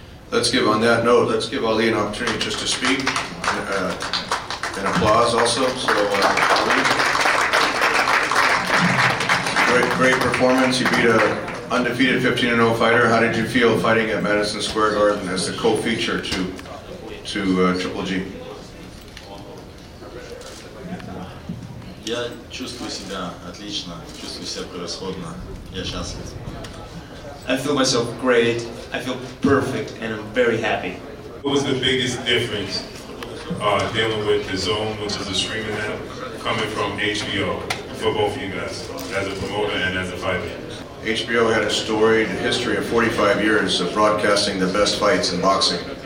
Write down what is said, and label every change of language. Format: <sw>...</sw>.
<en>Let's give, on that note, let's give Ali an opportunity just to speak, and applause also. So, Ali, great performance. You beat an undefeated 15-0 fighter. How did you feel fighting at Madison Square Garden as a co-feature to Triple G?</en> <ru>Я чувствую себя отлично, чувствую себя превосходно. Я счастлив.</ru> <en>I feel myself great, I feel perfect, and I'm very happy. What was the biggest difference dealing with the Zone, which is a streaming app, coming from HBO for both of you guys, as a promoter and as a fighter? HBO had a storied history of 45 years of broadcasting the best fights in boxing.</en>